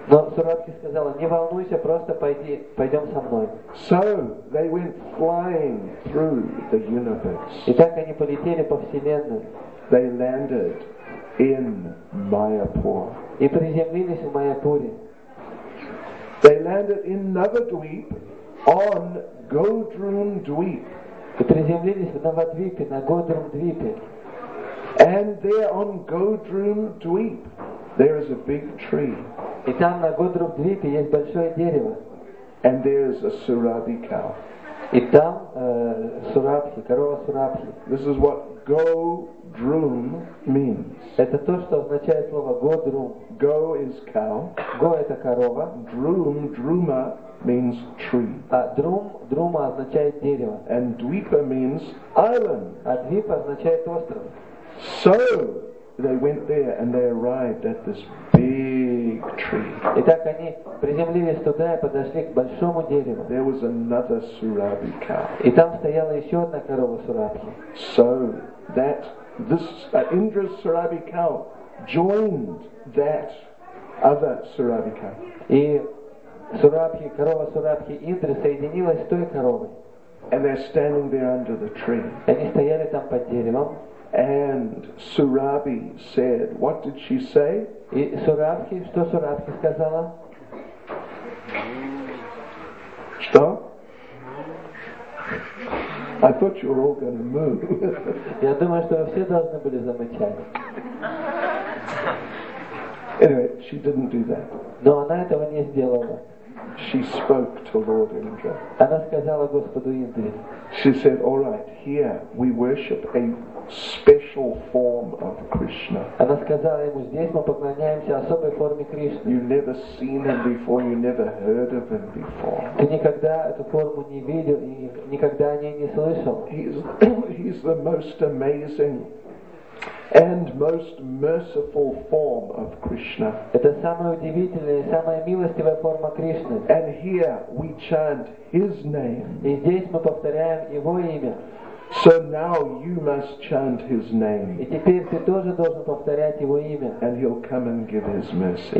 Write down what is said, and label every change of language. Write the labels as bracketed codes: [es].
[ru] Но Сурабхи сказала, не волнуйся, просто пойди, пойдем со мной. [en] So, they went flying through the universe. [ru] И так они полетели по вселенной. [en] They landed in Mayapur. [ru] И приземлились в Майяпуре. [en] They landed in Navadvip on Godrum Dweep. [ru] И приземлились в Навадвипе, на Годрум Двипе. [en] And there on Godrum Dweep, there is a big tree. [ru] И там на Годрум Двипе есть большое дерево. [en] And there is a Surabhi cow. [ru] И там Сурабхи, корова Сурабхи. [en] This is what Godrum means. [ru] Это то, что означает слово Godrum. [en] Go is cow. [ru] Go это корова. [en] Drum, druma means tree. [ru] А drum, druma означает дерево. [en] And Dweepa means island. [ru] А Dweepa означает остров. [en] So they went there and they arrived at this big tree. [ru] Итак, они приземлились туда и подошли к большому дереву. [en] There was another Surabhi cow. [ru] И там стояла еще одна корова Сурабхи. [en] So that this Indra's Surabhi cow joined that other Surabhi cow. [ru] И Сурабхи, корова Сурабхи Индры соединилась с той коровой. [en] And they're standing there under the tree. [ru] Они стояли там под деревом. [en] And Surabhi said, what did she say? [ru] И Сурабхи, что Сурабхи сказала? Что? [en] I thought you were all going to move. [ru] Я думаю, что вы все должны были замычать. [en] Anyway, she didn't do that. [ru] Но она этого не сделала. [en] She spoke to Lord Indra. [ru] Она сказала Господу Индре. [en] She said, all right, here we worship a special form of Krishna. [ru] Она сказала ему, здесь мы поклоняемся особой форме Кришны. [en] You've never seen him before, you never heard of him before. [ru] Ты никогда эту форму не видел и никогда о ней не слышал. [en] He's the most amazing and most merciful form of Krishna. [ru] Это самая удивительная, самая милостивая форма Кришны. [en] And here we chant his name. [ru] И здесь мы повторяем его имя. [en] So now you must chant his name. [ru] И теперь ты тоже должен повторять его имя. [en] And he'll come and give his mercy.